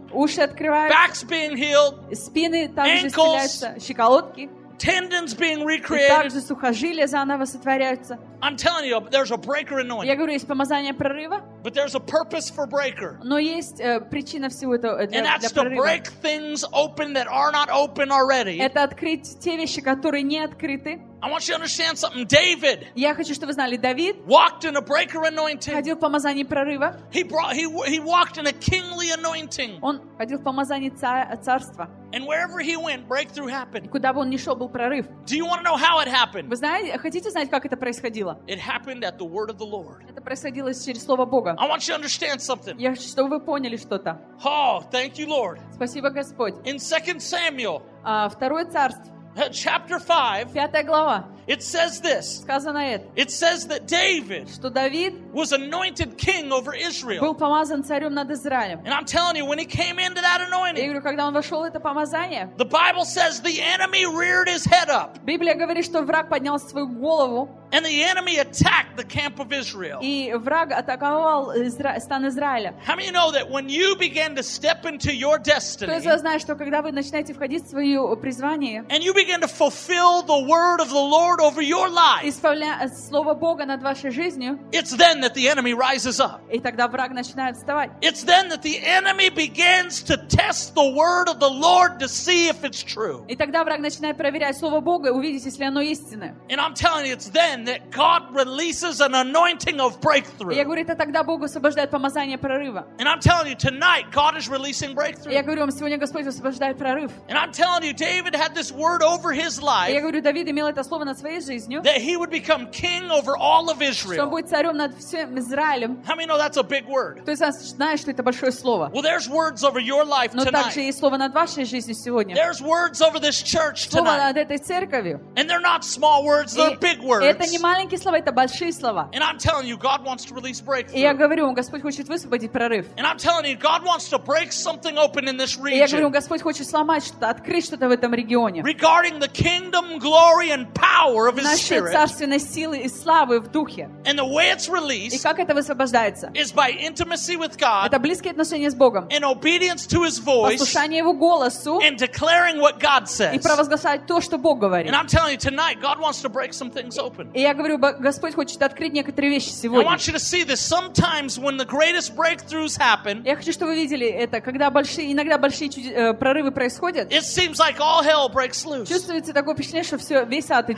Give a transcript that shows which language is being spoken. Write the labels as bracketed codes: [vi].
[ru] Уши открываются. [en] Backs being healed. [ru] Спины также исцеляются. Щиколотки. [en] Tendons being recreated. [ru] Также сухожилия заново сотворяются. [en] I'm telling you, there's a breaker anointing. [ru] Я говорю, есть помазание прорыва. [en] But there's a purpose for breaker. [ru] Но есть причина всего этого для прорыва. [en] And that's to break things open that are not open already. [ru] Это открыть те вещи, которые не открыты. [en] I want you to understand something, David. [ru] Я хочу, чтобы вы знали, Давид. [en] Walked in a breaker anointing. [ru] Ходил в помазании прорыва. [en] He walked in a kingly anointing. [ru] Он ходил в помазании царства. [en] And wherever he went, breakthrough happened. [ru] И куда бы он ни шел, был прорыв. [en] Do you want to know how it happened? [ru] Вы знаете, хотите знать, как это происходило? [en] It happened at the word of the Lord. [ru] Это происходило через слово Бога. [en] I want you to understand something. [ru] Я хочу, чтобы вы поняли что-то. [en] Oh, thank you, Lord. [ru] Спасибо, Господь. [en] In 2 Samuel. [ru] Второе царство. [en] Chapter 5. [ru] Пятая глава. [en] It says this. [ru] Сказано это. [en] It says that David, [ru] что Давид, [en] was anointed king over Israel. [ru] Был помазан царем над Израилем. [en] And I'm telling you, when he came into that anointing, [ru] я говорю, когда он вошел в это помазание, [en] the Bible says the enemy reared his head up. [ru] Библия говорит, что враг поднял свою голову. [en] And the enemy attacked the camp of Israel. [ru] И враг атаковал стан Израиля. [en] How many know that when you begin to step into your destiny, [ru] кто из вас знает, что когда вы начинаете входить в свое призвание, [en] and you begin to fulfill the word of the Lord over your life. [ru] Исполняя слово Бога над вашей жизнью. [en] It's then that the enemy rises up. [ru] И тогда враг начинает вставать. [en] It's then that the enemy begins to test the word of the Lord to see if it's true. [ru] И тогда враг начинает проверять слово Бога, увидеть, если оно истинное. [en] And I'm telling you, it's then that God releases an anointing of breakthrough. [ru] Я говорю, это тогда Бог освобождает помазание прорыва. [en] And I'm telling you, tonight God is releasing breakthrough. [ru] Я говорю вам, сегодня Господь освобождает прорыв. [en] And I'm telling you, David had this word over his life. [ru] Я говорю, Давид имел это слово над своей своей жизнью. [en] That he would become king over all of Israel. [ru] Что он будет царем над всем Израилем. [en] How many know that's a big word? [ru] То есть знаешь, что это большое слово. [en] Well, there's words over your life tonight. [ru] Но также есть слово над вашей жизнью сегодня. [en] There's words over this church tonight. [ru] Слово над этой церковью. [en] And they're not small words, they're big words. [ru] Это не маленькие слова, это большие слова. [en] And I'm telling you, God wants to release breakthrough. [ru] И я говорю вам, Господь хочет высвободить прорыв. [en] And I'm telling you, God wants to break something open in this region. [ru] И я говорю, Господь хочет сломать что-то, открыть что-то в этом регионе. [en] Regarding the kingdom, glory, and power of His Spirit. [ru] Нашей царственной силы и славы в духе. [en] And the way it's released. [ru] И как это высвобождается? [en] Is by intimacy with God. [ru] Это близкие отношения с Богом. [en] And obedience to His voice. [ru] Послушание Его голосу. [en] And declaring what God says. [ru] И провозглашать то, что Бог говорит. [en] And I'm telling you tonight, God wants to break some things open. [ru] И я говорю, Господь хочет открыть некоторые вещи сегодня. [en] I want you to see this. Sometimes when the greatest breakthroughs happen. [ru] Я хочу, чтобы вы видели это, когда большие, иногда большие прорывы происходят. [en] It seems like all hell breaks loose. [ru] Чувствуется такое впечатление, что все, весь ад идет